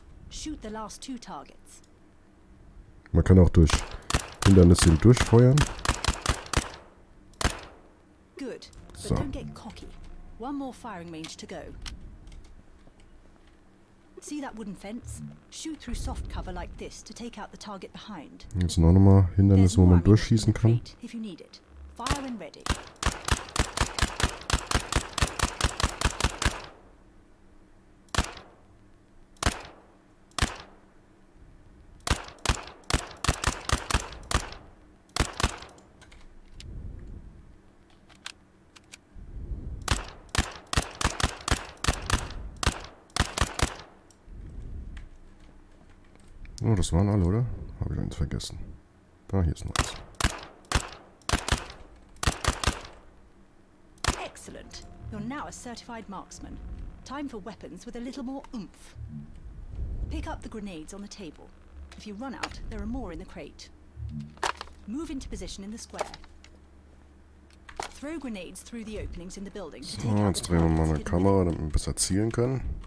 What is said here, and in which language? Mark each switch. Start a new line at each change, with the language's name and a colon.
English: Shoot the last two targets.
German: Man kann auch durch Hindernisse durchfeuern.
English: Good, but don't get cocky. One more firing range to go. See that wooden fence? Shoot through soft cover like this to take out the target behind.
German: Jetzt noch einmal Hindernis, wo man durchschießen kann.
English: If you need it. Fire when ready.
German: Oh, das waren alle, oder? Habe ich eins vergessen. Da, hier ist noch eins.
English: Excellent. You're now a certified marksman. Time for weapons with a little more oomph. Pick up the grenades on the table. If you run out, there are more in the crate. Move into position in the square. Throw grenades through the openings in the building.
German: So, jetzt drehen wir mal eine Kamera, damit wir besser zielen können.